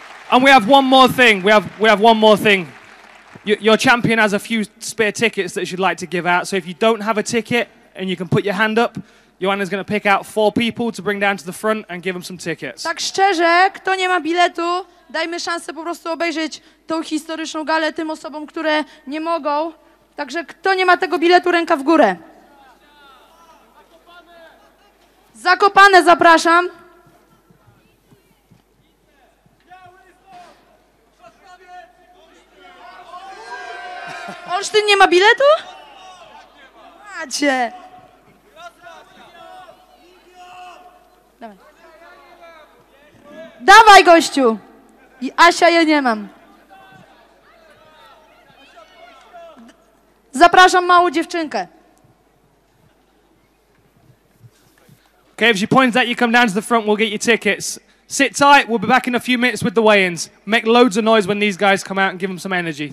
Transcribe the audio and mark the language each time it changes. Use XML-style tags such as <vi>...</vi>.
<en>And we have one more thing. Your champion has a few spare tickets that she'd like to give out. So if you don't have a ticket and you can put your hand up, Joanna's going to pick out four people to bring down to the front and give them some tickets.</en> <pl>Tak szczerze, kto nie ma biletu, dajmy szansę po prostu obejrzeć tą historyczną galę tym osobom, które nie mogą. Także kto nie ma tego biletu, ręka w górę. Zakopane zapraszam. Olsztyn nie ma biletu? Macie. Dawaj. Dawaj, gościu. I Asia, ja nie mam. Zapraszam małą dziewczynkę.</pl> <en>Okay, if she points at you, come down to the front, we'll get your tickets. Sit tight, we'll be back in a few minutes with the weigh-ins. Make loads of noise when these guys come out and give them some energy.</en>